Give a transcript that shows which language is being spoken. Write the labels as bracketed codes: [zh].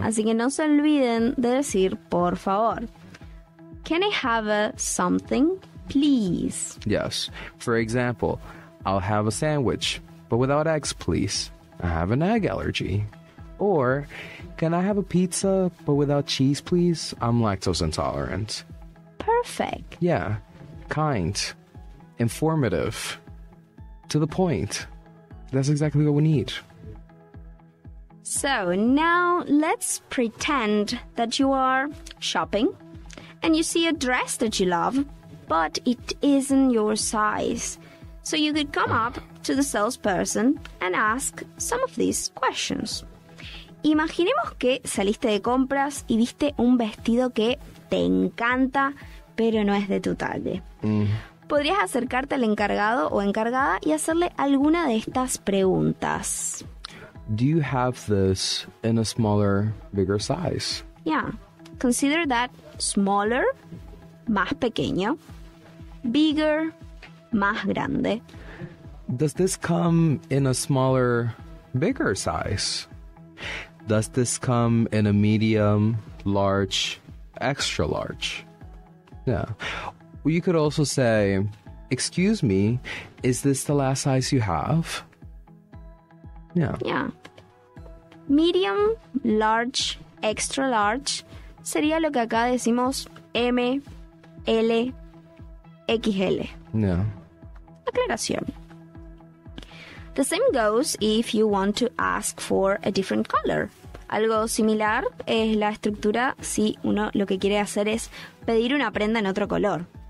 [es] Así que no se olviden de decir por favor. [en] Can I have a something, please? Yes. For example, I'll have a sandwich, but without eggs, please. I have an egg allergy. Or, can I have a pizza, but without cheese, please? I'm lactose intolerant. Perfect. Yeah. Kind. Informative. To the point. That's exactly what we need. So, now let's pretend that you are shopping and you see a dress that you love, but it isn't your size. So you could come up to the salesperson and ask some of these questions. [es] Imaginemos que saliste de compras y viste un vestido que te encanta, pero no es de tu talle. Podrías acercarte al encargado o encargada y hacerle alguna de estas preguntas. [en] Do you have this in a smaller, bigger size? Yeah, consider that smaller, [es] más pequeño, [en] bigger, [es] más grande. [en] Does this come in a smaller, bigger size? Does this come in a medium, large, extra large? Yeah. You could also say, excuse me, is this the last size you have? Yeah. [es] Yeah. [en] Medium, large, extra large, [es] sería lo que acá decimos M, L, XL. [en] Yeah. [es] Aclaración. [en] The same goes if you want to ask for a different color. [es] Algo similar es la estructura si uno lo que quiere hacer es pedir una prenda en otro color.